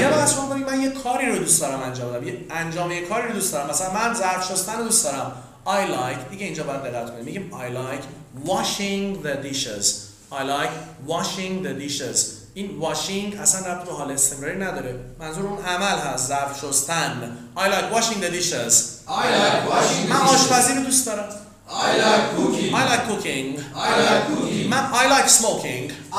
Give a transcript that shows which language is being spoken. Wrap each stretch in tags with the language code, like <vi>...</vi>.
<fa>یه بحث من یه کاری رو دوست دارم انجام بدم. مثلا من ظرف شستن رو دوست دارم.</fa> <en>I like.</en> <fa>دیگه اینجا باید دقت کنیم. میگیم</fa> <en>I like washing the dishes.</en> <fa>این washing اصلا ربط به حال استمراری نداره. منظور اون عمل هست، ظرف شستن.</fa> <en>I like washing the dishes.</en> <fa>من آشپزی رو دوست دارم.</fa> <en>I like cooking. I like smoking.</en>